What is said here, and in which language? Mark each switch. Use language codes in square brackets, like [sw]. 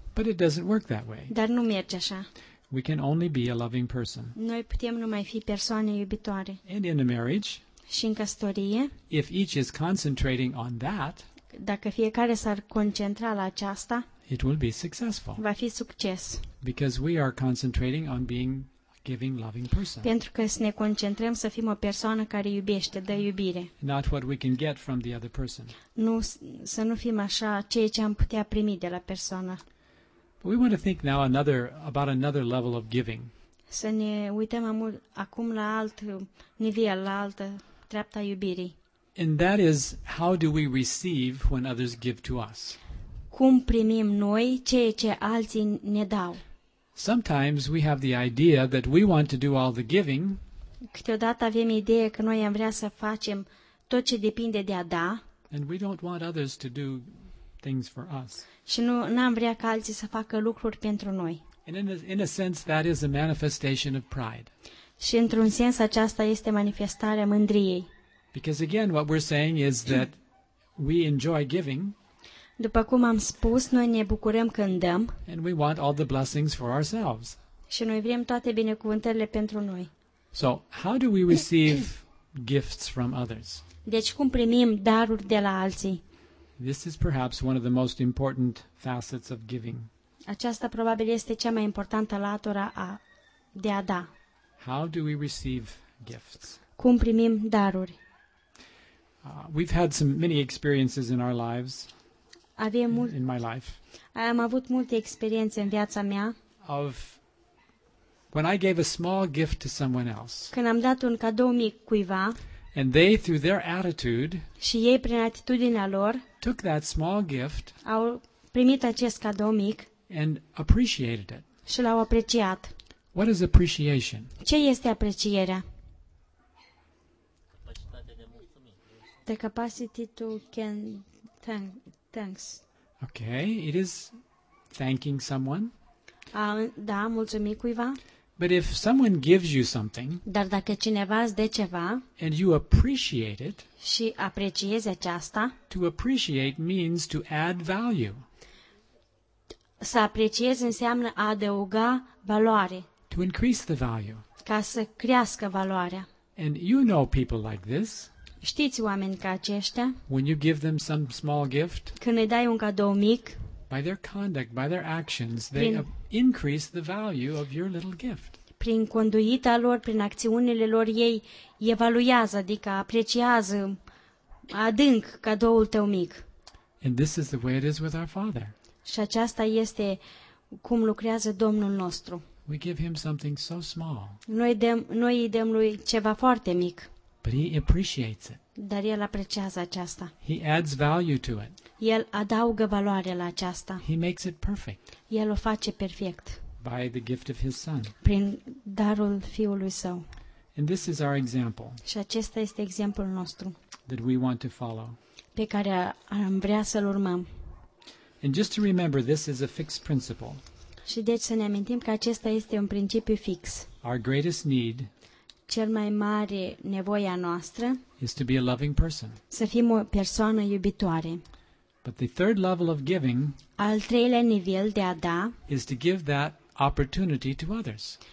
[en] But it doesn't work that way. [ro] Dar nu merge așa. [en] We can only be a loving person. [ro] Noi putem numai fi persoane iubitoare. [en] And in a marriage. [ro] Și în căsătorie. [en] If each is concentrating on that. [ro] Dacă fiecare s-ar concentra la aceasta. [en] It will be successful. [ro] Va fi succes. [en] Because we are concentrating on being a giving, loving person. [ro] Pentru că ne concentrăm să fim o persoană care iubește, dă iubire. [en] Not what we can get from the other person. [ro] Nu, să nu fim așa ceea ce am putea primi de la persoană. [en] We want to think now about another level of giving. [ro] Să ne uităm acum la alt nivel, la altă treaptă a iubirii. [en] And that is how do we receive when others give to us? [ro] Cum primim noi ceea ce alții ne dau? [en] Sometimes we have the idea that we want to do all the giving. [ro] Câteodată avem ideea că noi am vrea să facem tot ce depinde de a da. [en] And we don't want others to do things for us. [ro] Și nu n-am vrea ca alții să facă lucruri pentru noi. [en] And in a sense that is a manifestation of pride. [ro] Și într-un sens aceasta este manifestarea mândriei. [en] Because again what we're saying is that we enjoy giving. [ro] După cum am spus, noi ne bucurăm când dăm. [en] And we want all the blessings for ourselves. [ro] Și noi vrem toate binecuvântările pentru noi. [en] So, how do we receive gifts from others? [ro] Deci cum primim daruri de la alții? [en] This is perhaps one of the most important facets of giving. [ro] Aceasta probabil este cea mai importantă latură a de a da. [en] How do we receive gifts? [ro] Cum primim daruri? [en] We've had some many experiences in our lives. In my life. [ro] Am avut multe experiențe în viața mea. [en] Of when I gave a small gift to someone else. [ro] Când am dat un cadou mic cuiva. [en] And they through their attitude. [ro] Și ei prin atitudinea lor. [en] Took that small gift. [ro] Au primit acest cadou mic. [en] And appreciated it. [ro] Și l-au apreciat. [en] What is appreciation? [ro] Ce este aprecierea? [en] The capacity to can thanks. Okay, it is thanking someone. [ro] Da, mulțumi cuiva. [en] But if someone gives you something, [ro] dar dacă cineva îți dă ceva, [en] and you appreciate it, [ro] și apreciezi aceasta, [en] to appreciate means to add value. [ro] Să apreciezi înseamnă a adăuga valoare. [en] To increase the value. [ro] Ca să crească valoarea. [en] And you know people like this. [ro] Știți oameni ca aceștia? [en] When you give them some small gift, [ro] când îi dai un cadou mic, [en] by their conduct, by their actions, they increase the value of your little gift. [ro] Prin conduita lor, prin acțiunile lor, ei evaluează, adică apreciază adânc cadoul tău mic. [en] And this is the way it is with our Father. [ro] Și aceasta este cum lucrează Domnul nostru. [en] We give him something so small. [ro] Noi îi dăm lui ceva foarte mic. [en] But he appreciates it. [ro] Dar el apreciază aceasta. [en] He adds value to it. [ro] El adaugă valoare la aceasta. [en] He makes it perfect. [ro] El o face perfect. [en] By the gift of his son. [ro] Prin darul fiului său. [en] And this is our example. [ro] Și acesta este exemplul nostru. [en] That we want to follow. [ro] Pe care am vrea să-l urmăm. [en] And just to remember, this is a fixed principle. [ro] Și deci să ne amintim că acesta este un principiu fix. [en] Our greatest need. [ro] Cel mai mare nevoie a noastră [en] is to be a loving person. [ro] Să fim o persoană iubitoare. [en] But the third level of giving, [ro] al treilea nivel de a da, [en] is to give that opportunity to others.